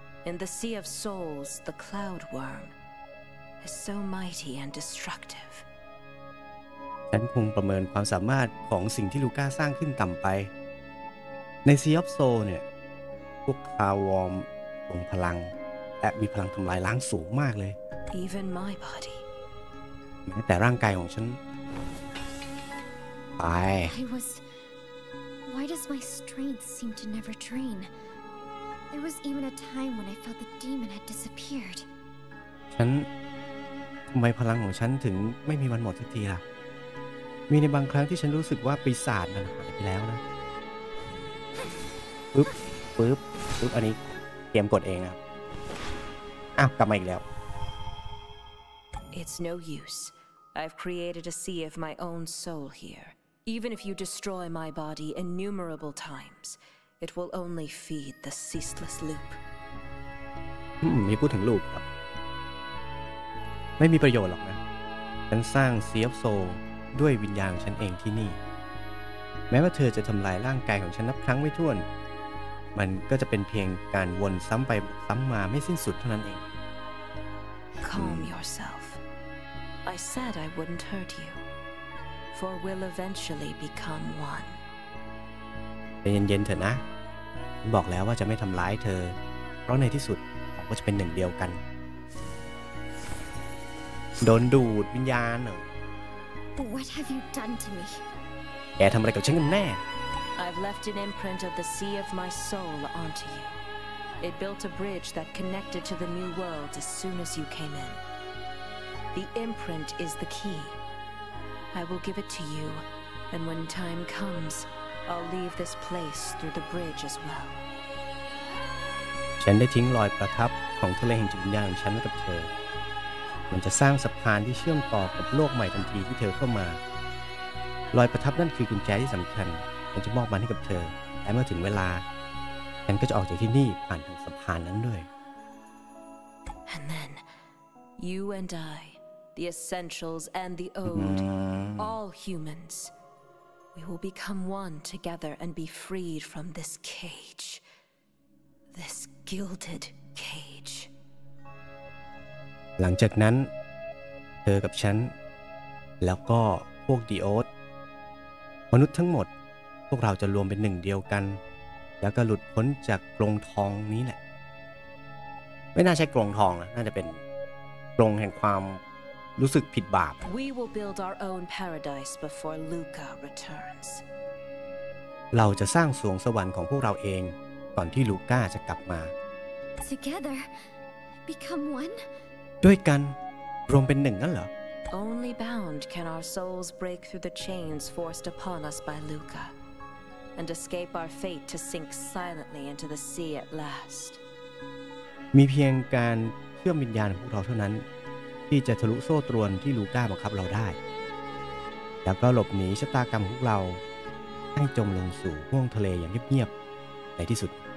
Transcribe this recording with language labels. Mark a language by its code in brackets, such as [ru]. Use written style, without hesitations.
[en] In the Sea of Souls, the Cloud Worm is so mighty and destructive. [th] ฉันคงประเมินความสามารถของสิ่งที่ลูก้าสร้างขึ้นต่ำไปใน Sea of Souls เนี่ยพวก Cloud Worm ทรงพลังและมีพลังทำลายล้างสูงมากเลย [en] Even my body. [th] แม้แต่ร่างกายของฉันไป [en] I was... Why does my strength seem to never drain? There was even a time when I felt the demon had disappeared. [th] ฉันทำไมพลังของฉันถึงไม่มีวันหมดสักทีล่ะมีในบางครั้งที่ฉันรู้สึกว่าปีศาจมันหายไปแล้วนะปึ๊บปึ๊บปึ๊บอันนี้เกมกดเองครับอ้าวกลับมาอีกแล้ว [en] It's no use. I've created a sea of my own soul here. Even if you destroy my body innumerable times. It will only feed the ceaseless loop. [th] มีพูดถึงลูปครับไม่มีประโยชน์หรอกนะฉันสร้างSea of Soulด้วยวิญญาณฉันเองที่นี่แม้ว่าเธอจะทำลายร่างกายของฉันนับครั้งไม่ถ้วนมันก็จะเป็นเพียงการวนซ้ำไปซ้ำมาไม่สิ้นสุดเท่านั้นเอง [en] Calm yourself. I said I wouldn't hurt you. For we'll eventually become one. [th] เย็นๆเถอะนะบอกแล้วว่าจะไม่ทำร้ายเธอเพราะในที่สุดเราก็จะเป็นหนึ่งเดียวกันโดนดูดวิญญาณเหรอ [en] What have you done to me? [th] แกทำอะไรกับฉันกันแน่ [en] I've left an imprint of the sea of my soul onto you. It built a bridge that connected to the new world as soon as you came in. The imprint is the key. I will give it to you, and when time comes. I'll leave this place through the bridge as well. [th] ฉันได้ทิ้งรอยประทับของทะเลแห่งจิตวิญญาณของฉันไว้กับเธอมันจะสร้างสะพานที่เชื่อมต่อกับโลกใหม่ทันทีที่เธอเข้ามารอยประทับนั่นคือกุญแจที่สำคัญฉันจะมอบมันให้กับเธอและเมื่อถึงเวลาฉันก็จะออกจากที่นี่ผ่านทางสะพานนั้นด้วย [en] And then you and I the essentials and the old all humansWe will become one together and be freed from this cage. This gilded cage. [th] หลังจากนั้นเธอกับฉันแล้วก็พวกดีโอสมนุษย์ทั้งหมดพวกเราจะรวมเป็นหนึ่งเดียวกันแล้วก็หลุดพ้นจากกรงทองนี้แหละไม่น่าใช่กรงทองนะน่าจะเป็นกรงแห่งความรู้สึกผิดบาป [en] We will build our own paradise before Luca returns. [th] เราจะสร้างสวงสวรรค์ของพวกเราเองก่อนที่ลูก้าจะกลับมา [en] Together, become one. [th] ด้วยกันรวมเป็นหนึ่งนั่นเหรอ [en] Only bound can our souls break through the chains forced upon us by Luca, and escape our fate to sink silently into the sea at last. [th] มีเพียงการเชื่อมวิญญาณของพวกเราเท่านั้นที่จะทะลุโซ่ตรวนที่ลูก้าบังคับเราได้แล้วก็หลบหนีชะตากรรมของเราให้จมลงสู่ห้วงทะเลอย่างเงียบๆในที่สุด